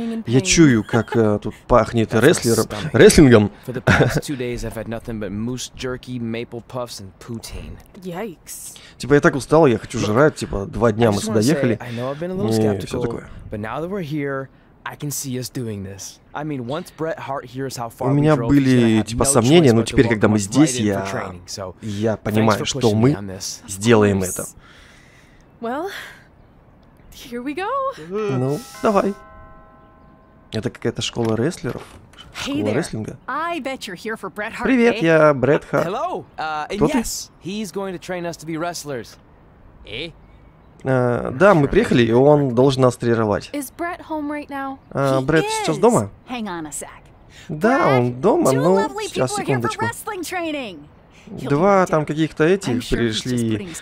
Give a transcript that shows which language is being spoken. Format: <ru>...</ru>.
<ru>Я чую, как тут пахнет рестлингом.</ru> <en>For the past two days I've had nothing but moose jerky, maple puffs and poutine. Yikes.</en> <ru>Типа я так устал, я хочу жрать, типа два дня мы сюда ехали. Все такое.</ru> <en>But now that we're here, I can see us doing this. I mean, once Bret Hart hears how far we drove, he's gonna have no choice but to walk right in for training. So, thanks for pushing me on this. Of course. Well, here we go.</en> <ru>Ну, давай. Это какая-то школа рестлеров? Школа рестлинга?</ru> <en>I bet you're here for Bret Hart.</en> <ru>Привет, я Бретт Харт.</ru> <en>Hello. And yes, he's going to train us to be wrestlers. Eh?</en> <ru>Да, мы приехали, и он должен нас тренировать.</ru> <en>Is Bret home right now?</en> <ru>Бретт сейчас дома?</ru> <en>Hang on a sec.</en> <ru>Да, он дома, но сейчас, секундочку. Два там каких-то этих пришли.</ru>